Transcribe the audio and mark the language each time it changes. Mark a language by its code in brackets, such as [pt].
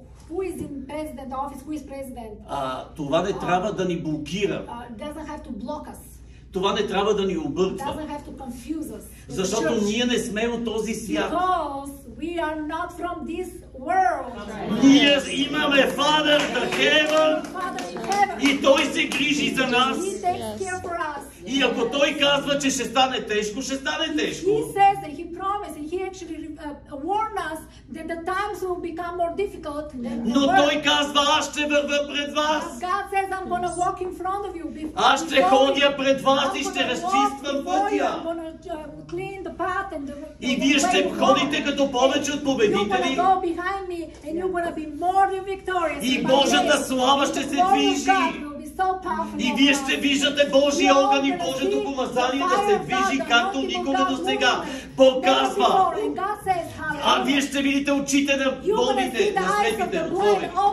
[en] Who is in president office? Who is president? [bg] Това не трябва да ни блокира. [en] Doesn't have to block us. [bg] Това не трябва да ни обърква. [en] Doesn't have to confuse us. [bg] Защото ние не сме от този свят. [en] Because we are not from this world. [bg] Ние имаме Father [en] in heaven. [bg] И той се грижи за нас. [en] He takes care for us. [bg] И И ако Той казва, че ще стане тежко, ще стане тежко. [en] He says that He promised and He actually warned us that the times will become more difficult than the world. [bg] Но Той казва, аз ще вървя пред вас. [en] God says, I'm gonna walk in front of you. [bg] Аз ще ходя пред вас и ще разчиствам пътя. [en] Clean the path and the [bg] и вие ще ходите като повече от победители. [en] You're gonna go behind me and you're gonna be more than victorious. [bg] И Божията слава ще се движи. И вие ще виждате Божия огън и Божието помазание да се движи както никога до сега. Бог казва, а вие ще видите очите на болните, на слепите отворени.